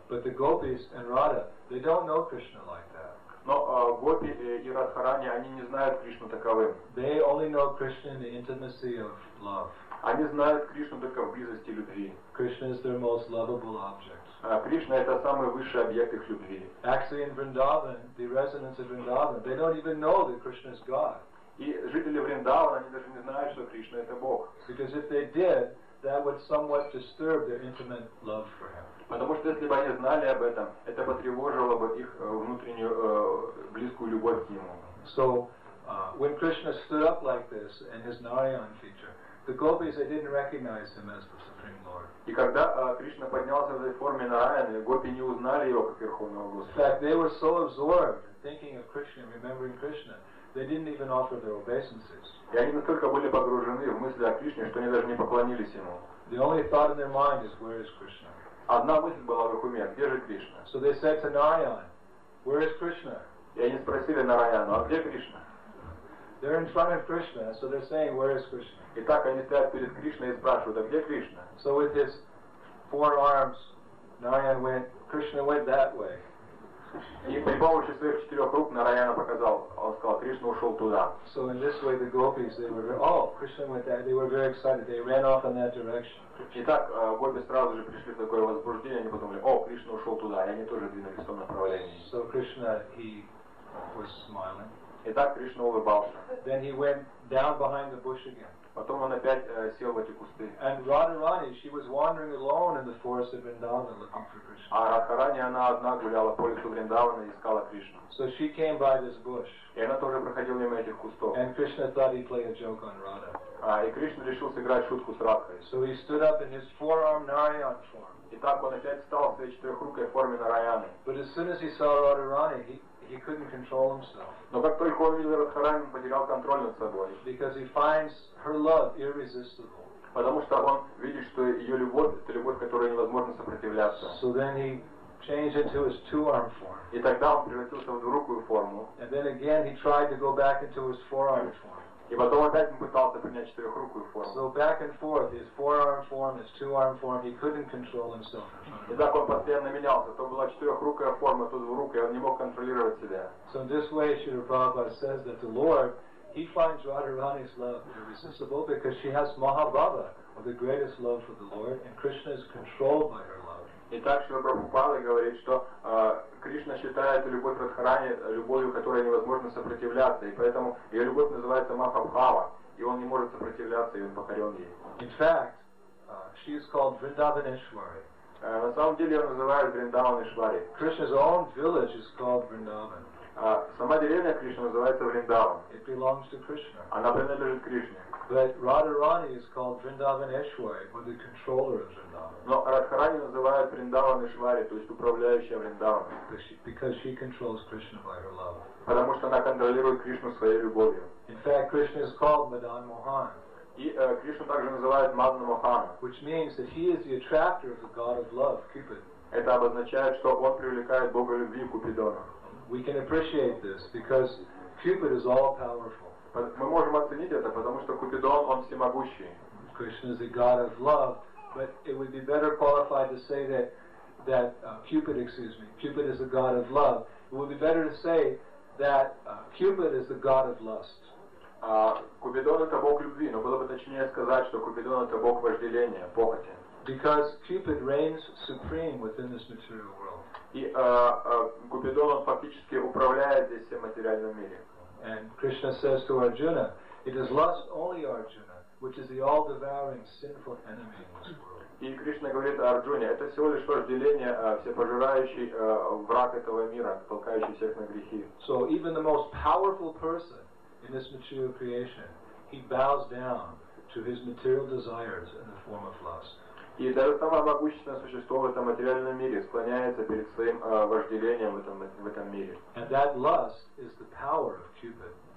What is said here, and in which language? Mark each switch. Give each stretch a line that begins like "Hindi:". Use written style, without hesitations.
English: But the gopis and Radha, they don't know Krishna like that.
Russian: Но гопи и Радхарани, они не знают Кришну таковым.
English: They only know Krishna in the intimacy of love.
Russian: Они знают Кришну только в близости любви.
English: Krishna is their most lovable object.
Russian: Кришна это самый высший объект их любви.
English: Actually, in Vrindavan, the residents of Vrindavan, they don't even know that Krishna is God.
Russian: И жители Вриндавана, они даже не знают, что Кришна это Бог.
English: Because if they did, that would somewhat disturb their intimate love for him.
Russian: Потому что если бы они знали об этом, это потревожило бы их внутреннюю близкую любовь к нему.
English: So, when Krishna stood up like this in his Narayan feature, the gopis they didn't recognize him as the Supreme Lord.
Russian: И когда Кришна поднялся в этой форме Нараяны, гопи не узнали его как Верховного Господа.
English: In fact, they were so absorbed thinking of Krishna, remembering Krishna. They didn't even offer their obeisances.
Russian: И они настолько были погружены в мысли о Кришне, что они даже не поклонились ему.
English: The only thought in their mind is, where is Krishna?
Russian: Одна мысль была в их уме, где же Кришна?
English: So they said to Narayan, where is Krishna?
Russian: И они спросили Нараяну, а где Кришна?
English: They're in front of Krishna, so they're saying, where is Krishna?
Russian: Итак, они стоят перед Кришной и спрашивают, а где Кришна?
English: So with his four arms, Narayan went, Krishna went that way.
Russian: И при помощи своих четырех рук Нараяна показал, он сказал, Кришна ушел туда.
English: So in this way the gopis, they were, oh, Krishna went there, they were very excited, they ran off in that direction.
Russian: Итак, гопи сразу же пришли в такое возбуждение, они подумали, о, Кришна ушел туда, и они тоже двинулись в том направлении.
English: So Krishna, he was smiling.
Russian: Итак, Кришна улыбался.
English: Then he went down behind the bush again.
Russian: Потом он опять сел в эти кусты.
English: And Radharani, she was wandering alone in the forest of Vrindavan looking for Krishna.
Russian: А Радхарани, она одна гуляла по лесу Вриндавана и искала Кришну.
English: So she came by this bush.
Russian: И она тоже проходила мимо этих кустов.
English: And Krishna thought he'd play a joke on Radha.
Russian: А, и Кришна решил сыграть шутку с Радхой.
English: So he stood up in his forearm Narayan form.
Russian: Итак, он опять встал в своей четырехрукой форме Нараяны.
English: But as soon as he saw Radharani, he couldn't control himself.
Russian: Но как только он видел Радхарани, он потерял контроль над собой.
English: Because he finds her love irresistible.
Russian: Потому что он видит, что ее любовь — это любовь, которой невозможно сопротивляться.
English: So then he changed into his two-arm form.
Russian: И тогда он превратился в двурукую форму.
English: And then again he tried to go back into his forearm form.
Russian: И потом опять он пытался принять четырехрукую форму.
English: So back and forth, his forearm form, his two-arm form, he couldn't control himself.
Russian: И так он постоянно менялся. То была четырехрукая форма, то двурукая, он не мог контролировать себя.
English: So in this way, Śrīla Prabhupāda says that the Lord, he finds Radharani's love irresistible because she has Mahabhava, or the greatest love for the Lord, and Krishna is controlled by her love.
Russian: Итак, Шрила Прабхупада говорит, что Кришна считает любовь Радхарани любовью, которой невозможно сопротивляться, и поэтому ее любовь называется Махабхава, и он не может сопротивляться, и он покорен ей.
English: In fact, she is called Vrindavaneshwari.
Russian: На самом деле ее называют Вриндаванешвари.
English: Krishna's own village is called Vrindavan.
Russian: Сама деревня Кришны называется Вриндаван.
English: It belongs to Krishna.
Russian: Она принадлежит Кришне.
English: But Radharani is called Vrindavaneshwari, or the controller of Vrindavan.
Russian: Но Радхарани называют Вриндаванешвари, то есть управляющая Вриндаваном.
English: Because she controls Krishna by her love.
Russian: Потому что она контролирует Кришну своей любовью.
English: In fact, Krishna is called Madan Mohan.
Russian: И Кришну также называют Мадан Мохан.
English: Which means that he is the attractor of the god of love, Cupid.
Russian: Это обозначает, что он привлекает бога любви, Купидона.
English: We can appreciate this because Cupid is all powerful.
Russian: Мы можем оценить это, потому что Купидон, он всемогущий.
English: Krishna is a god of love, but it would be better qualified to say that Cupid is a god of love. It would be better to say that Cupid is the god of lust.
Russian: Купидон — это бог любви, но было бы точнее сказать, что Купидон — это бог вожделения, похоти.
English: Because Cupid reigns supreme within this material world.
Russian: И Купидон, он фактически управляет здесь всем материальным миром.
English: And Krishna says to Arjuna, it is lust only, Arjuna, which is the all-devouring sinful enemy in this world.
Russian: И Кришна говорит Арджуне, это всего лишь вожделение, всепожирающий враг этого мира, толкающий всех на грехи.
English: So even the most powerful person in this material creation, he bows down to his material desires in the form of lust.
Russian: И даже самое могущественное существо в этом материальном мире склоняется перед своим вожделением в этом мире.
English: And that lust is the power of Cupid.